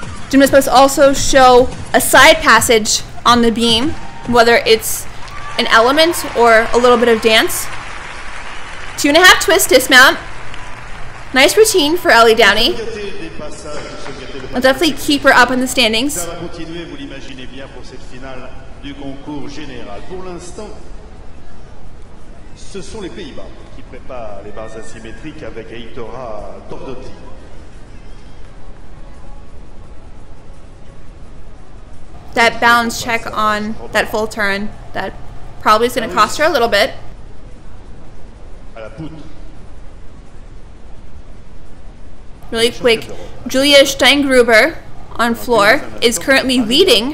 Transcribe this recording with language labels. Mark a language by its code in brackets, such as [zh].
[en] Gymnast must also show a side passage on the beam, whether it's an element or a little bit of dance. 2.5 twist dismount. Nice routine for Ellie Downey. We'll definitely keep her up in the standings. [fr] Ça va continuer, vous l'imaginez bien, pour cette finale du concours général. Pour l'instant, ce sont les Pays-Bas qui préparent les barres asymétriques avec Aitora Tordotti. [en] That balance check on that full turn, that probably is going to cost her a little bit. Really quick, Julia Steingruber on floor is currently leading.